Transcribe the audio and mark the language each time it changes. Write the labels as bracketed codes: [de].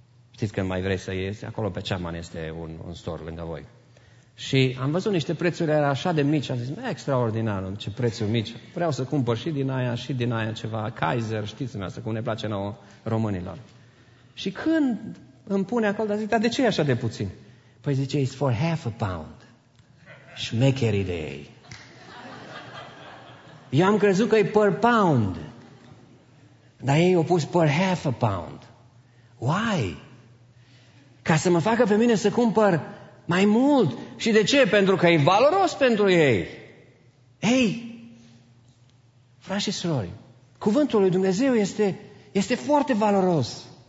[ro] Știți când mai vrei să ieși, acolo pe Chapman este un store lângă voi. Și am văzut niște prețuri, era așa de mici, am zis, extraordinar, ce prețuri mici. Vreau să cumpăr și din aia, și din aia ceva, Kaiser, știți-mi asta, cum ne place nouă românilor. Și când îmi pune acolo, zic, dar de ce e așa de puțin? Păi zice, [en] it's for half a pound. [ro] Șmecherii de ei. Eu am crezut că e per pound. Dar ei au pus per half a pound. [en] Why? [ro] Ca să mă facă pe mine să cumpăr mai mult. Și de ce? Pentru că e valoros pentru ei. Ei, frați și surori, cuvântul lui Dumnezeu este foarte valoros.